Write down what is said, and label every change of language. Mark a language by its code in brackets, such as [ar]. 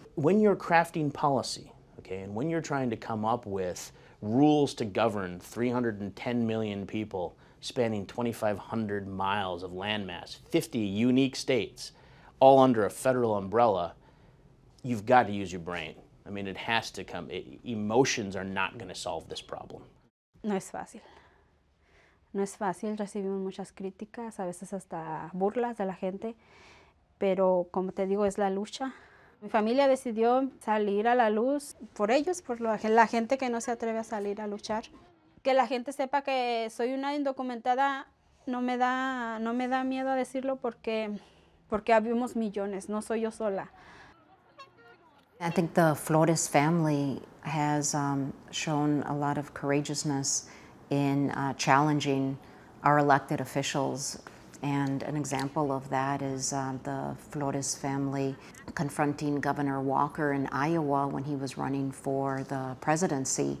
[en] When you're crafting policy, okay, and when you're trying to come up with rules to govern 310 million people spanning 2,500 miles of landmass, 50 unique states, all under a federal umbrella, you've got to use your brain. I mean, it has to come. Emotions are not going to solve this problem. [es] No es fácil. No es fácil. Recibimos muchas críticas, a veces hasta burlas de la gente. Pero, como te digo, es la lucha. Mi familia decidió salir a la luz por ellos, por la gente que no se atreve a salir a luchar. Que la gente sepa que soy una indocumentada no me da miedo a decirlo porque habíamos millones, no soy yo sola. [en] I think the Flores family has shown a lot of courageousness in challenging our elected officials. And an example of that is the Flores family confronting Governor Walker in Iowa when he was running for the presidency.